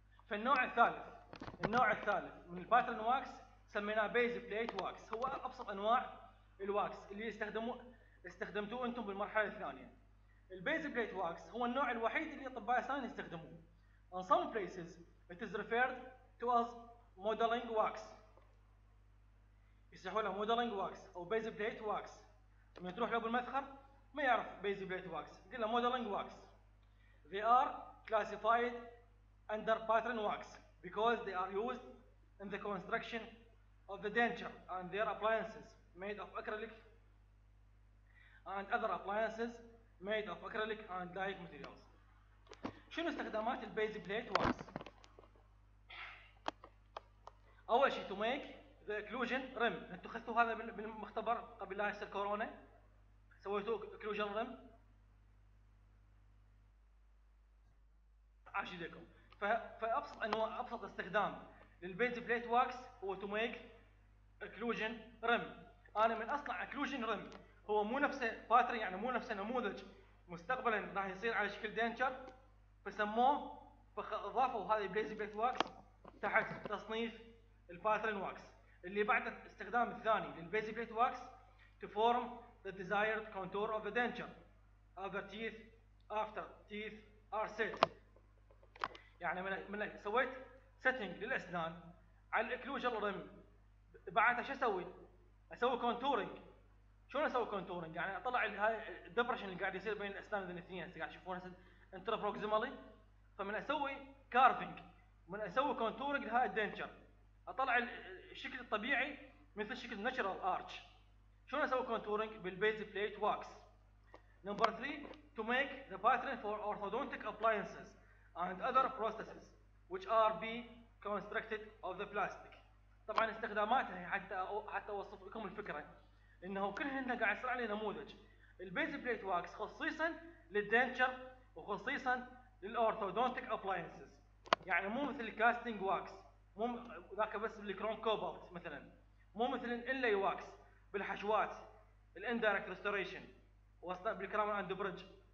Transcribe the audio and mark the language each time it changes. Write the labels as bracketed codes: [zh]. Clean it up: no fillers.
[ar] فالنوع الثالث النوع الثالث من الباترن واكس سميناه بيز بليت واكس هو ابسط انواع الواكس اللي استخدمتوه انتم بالمرحله الثانيه. البيز بليت واكس هو النوع الوحيد اللي اطباء اسنان يستخدموه. [en] In some places it is referred to as modeling wax. [ar] يسحولها modeling wax او بيز بليت wax. لما تروح له بالمدخل ما يعرف بيز بليت wax. قل له modeling wax. [en] They are classified under pattern wax because they are used in the construction of the denture and their appliances made of acrylic and other appliances made of acrylic and dyeing materials. [ar] شنو استخدامات البيز بليت wax؟ اول شيء [en] to make the occlusion rim. [ar] انتو خذتوا هذا بالمختبر قبل لا يصير كورونا سويتوا occlusion rim عاش يديكم. فابسط انواع ابسط استخدام للبيز بليت واكس هو [en] to make occlusion rim. [ar] انا من اصنع occlusion rim هو مو نفسه باترن يعني مو نفسه نموذج مستقبلا راح يصير على شكل دينشر فسموه فاضافوا هذه البيز بليت واكس تحت تصنيف الباترن واكس. اللي بعد استخدام الثاني للبيز بليت واكس [en] to form the desired contour of the denture of the teeth after teeth are set. [ar] يعني من سويت setting للأسنان على الاكلوجر رم بعدها شو اسوي؟ اسوي contouring. شلون اسوي contouring؟ يعني اطلع هاي الدبرشن اللي قاعد يصير بين الأسنان الاثنين انت قاعد تشوفون انتروبروكسيمالي. فمن اسوي carving من اسوي contouring لهاي الدنشر اطلع الشكل الطبيعي مثل شكل natural arch. شلون اسوي contouring بالبيز بليت واكس؟ [en] Number 3 to make the pattern for orthodontic appliances and other processes which are be constructed of the plastic. [ar] طبعا استخداماتها حتى اوصف لكم الفكره انه كلهن قاعد يصير عليه نموذج البيز بليت واكس خصيصا للدنتشر وخصيصا للاورثودونتيك ابلاينسز. يعني مو مثل الكاستنج واكس مو ذاك بس بالكروم كوبالت مثلا مو مثل الاي واكس بالحشوات الاندايركت ريستوريشن واصله بالكرامل اند برج.